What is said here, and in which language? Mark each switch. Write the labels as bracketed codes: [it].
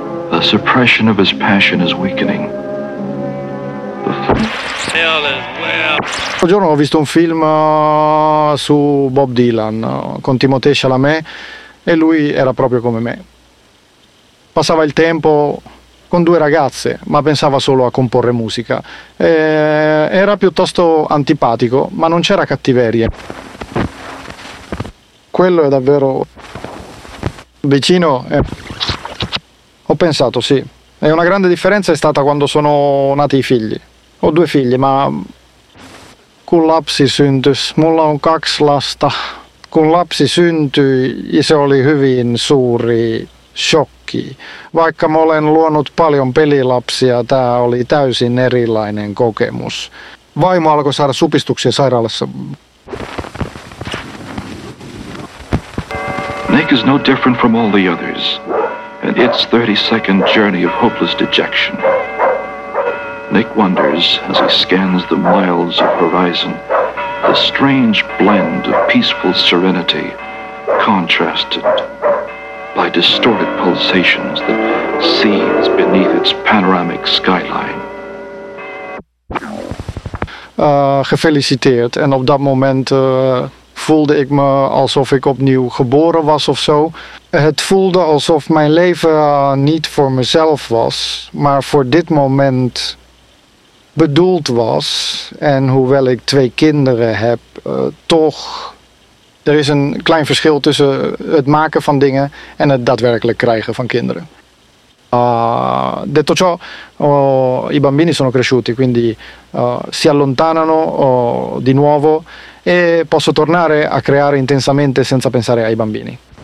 [en] The suppression of his passion is weakening. [it] Un giorno ho visto un film su Bob Dylan con Timothée Chalamet e lui era proprio come me. Passava il tempo con due ragazze, ma pensava solo a comporre musica. Era piuttosto antipatico, ma non c'era cattiveria. Quello è davvero vicino. Ho pensato, sì. E una grande differenza è stata quando sono nati i figli. Ho due figli, ma... [fi] Kun lapsi syntys, mulla on kaksi lasta. Kun lapsi syntyi, se oli hyvin suuri shokki. Vaikka mä olen luonut paljon pelilapsia, tää oli täysin erilainen kokemus. Vaimo alkoi saada supistuksia sairaalassa. [en] Nick is no different from all the others. And it's 30-second journey of hopeless dejection. Nick wonders as he scans the miles of horizon, the strange blend of peaceful serenity contrasted by distorted pulsations that seethe beneath its panoramic skyline. [nl] Gefeliciteerd. En op dat moment voelde ik me alsof ik opnieuw geboren was of zo. Het voelde alsof mijn leven niet voor mezelf was, maar voor dit moment bedoeld was, en hoewel ik twee kinderen heb, toch Er is een klein verschil tussen het maken van dingen en het daadwerkelijk krijgen van kinderen. [it] Detto ciò, i bambini sono cresciuti, quindi si allontanano di nuovo e posso tornare a creare intensamente senza pensare ai bambini.